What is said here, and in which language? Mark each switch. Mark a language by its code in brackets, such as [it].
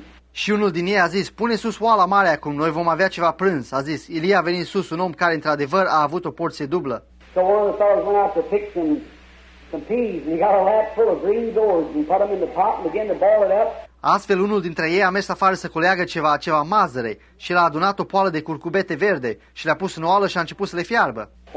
[ro] Și unul din ei a zis, pune sus oala mare acum, noi vom avea ceva prânz. A zis, Ilie a venit sus, un om care într-adevăr a avut o porție dublă. [en] So one of the fellows went out to pick some peas, and he got a lap full of green gourds, and put them in the pot, and began to boil it up. [ro] Astfel, unul dintre ei a mers afară să coleagă ceva mazăre și l-a adunat o poală de curcubete verde și le-a pus în oală și a început să le fiarbă.